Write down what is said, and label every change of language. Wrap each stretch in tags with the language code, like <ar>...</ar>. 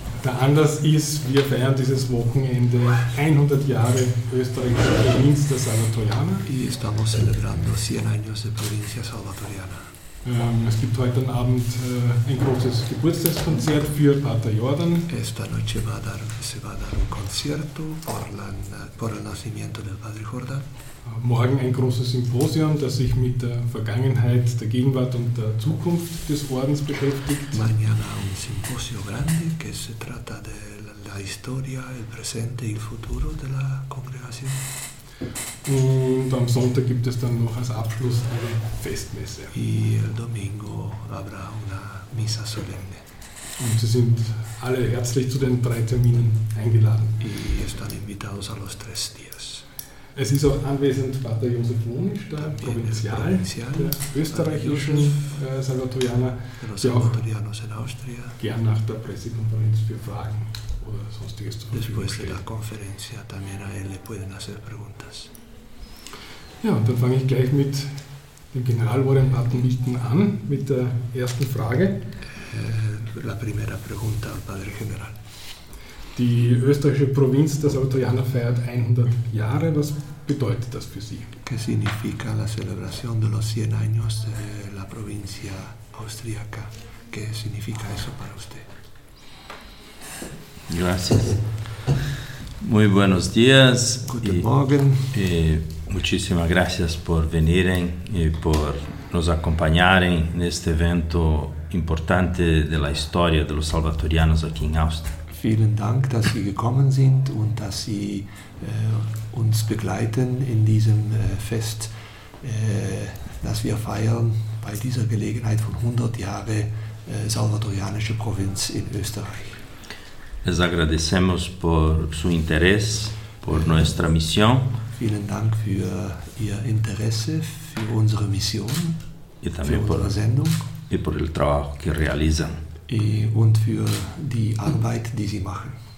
<de>Der Anlass ist, wir feiern dieses Wochenende 100 Jahre österreichische Provinz der Salvatorianer.</de> <es>Y estamos celebrando 100 años de provincia salvatoriana.</es> <de>Es gibt heute Abend ein großes Geburtstagskonzert für Pater Jordan.</de> <es>Esta noche se va a dar un concierto por el nacimiento del Padre Jordan.</es> <de>Morgen ein großes Symposium, das sich mit der Vergangenheit, der Gegenwart und der Zukunft des Ordens beschäftigt.</de> <es>Mañana un simposio grande que se trata de la historia, el presente y el futuro de la congregación.</es> <de>Und am Sonntag gibt es dann noch als Abschluss eine Festmesse.</de> <es>Y el domingo habrá una misa solemne.</es> <de>Und Sie sind alle herzlich zu den drei Terminen eingeladen.</de> <es>Y están invitados a los tres días.</es> <de>Es ist auch anwesend Pater Josef Monisch, der Provinzial der österreichischen Salvatorianer, der auch gern nach der Pressekonferenz für Fragen oder sonstiges zur Verfügung steht.</de> <es>Después de la conferencia también a él le pueden hacer preguntas.</es> <de>Ja, und dann fange ich gleich mit dem Generalobere Pater Milton an, mit der ersten Frage.</de> <es>La primera pregunta al Padre General.</es> <de>Die österreichische Provinz der Salvatorianer feiert 100 Jahre. Was bedeutet das für Sie?</de> <es>¿Qué significa la celebración de los 100 años de la provincia austriaca? ¿Qué significa eso para usted? Gracias. Muy buenos días.</es> <de>Guten Morgen.</de> <es>Y muchísimas gracias por venir y por nos acompañar en este evento importante de la historia de los salvatorianos aquí en Austria.</es> <de>Vielen Dank, dass Sie gekommen sind und dass Sie uns begleiten in diesem Fest, das wir feiern bei dieser Gelegenheit von 100 Jahren salvatorianische Provinz in Österreich.</de> <es>Les agradecemos por su interés, por nuestra misión.</es> <de>Vielen Dank für Ihr Interesse, für unsere Mission, für unsere Sendung.</de> <es>Y por el trabajo que realizan.</es> <de>Und für die Arbeit, die Sie machen.</de>